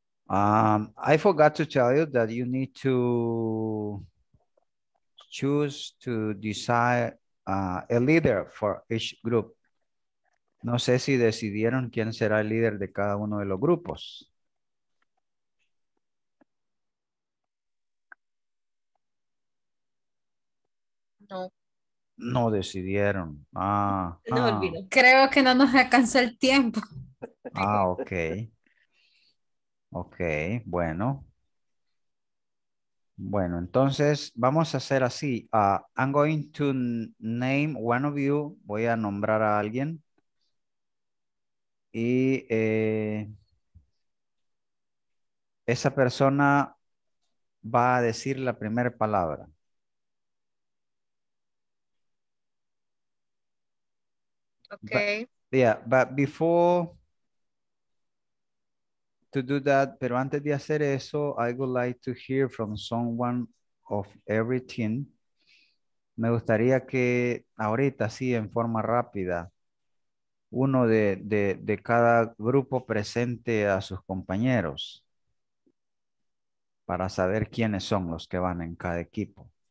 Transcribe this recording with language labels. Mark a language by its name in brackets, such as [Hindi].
[English] I forgot to tell you that you need to choose to decide a leader for each group. [Spanish] No sé si decidieron quién será el líder de cada uno de los grupos. No. No decidieron. Ah. No olvidé. Creo que no nos alcanzó el tiempo. Ah, ok. Ok, bueno. Bueno, entonces vamos a hacer así. [English] I'm going to name one of you. [Spanish] Voy a nombrar a alguien. Y esa persona va a decir la primera palabra. [English] Okay. But, yeah, but before to do that, [Spanish] pero antes de hacer eso, [English] I would like to hear from someone of every team. [Spanish] Me gustaría que ahorita, sí, en forma rápida, uno de cada grupo presente a sus compañeros para saber quiénes son los que van en cada equipo.